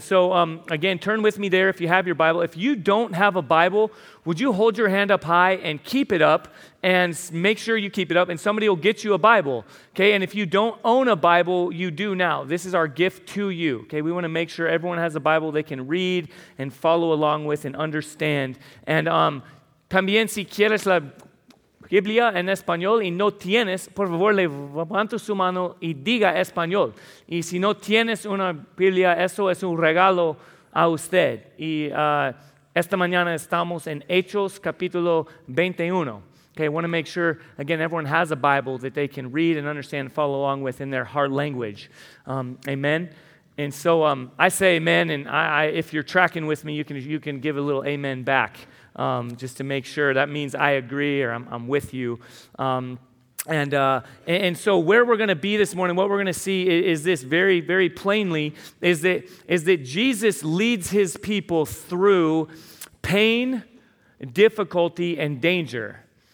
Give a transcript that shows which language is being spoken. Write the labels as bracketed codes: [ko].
[en] And so, again, turn with me there if you have your Bible. If you don't have a Bible, would you hold your hand up high and keep it up and make sure you keep it up, and somebody will get you a Bible, okay? And if you don't own a Bible, you do now. This is our gift to you, okay? We want to make sure everyone has a Bible they can read and follow along with and understand. [es] And también si quieres la Biblia en español y no tienes, por favor, levanta su mano y diga español. Y si no tienes una Biblia, eso es un regalo a usted. Y esta mañana estamos en Hechos capítulo 21. [en] Okay, I want to make sure, again, everyone has a Bible that they can read and understand and follow along with in their heart language. Amen. And so I say amen, and I if you're tracking with me, you can give a little amen back. Just to make sure that means I agree or I'm with you. And so where we're going to be this morning, what we're going to see is this very, very plainly, is that Jesus leads his people through pain, difficulty, and danger.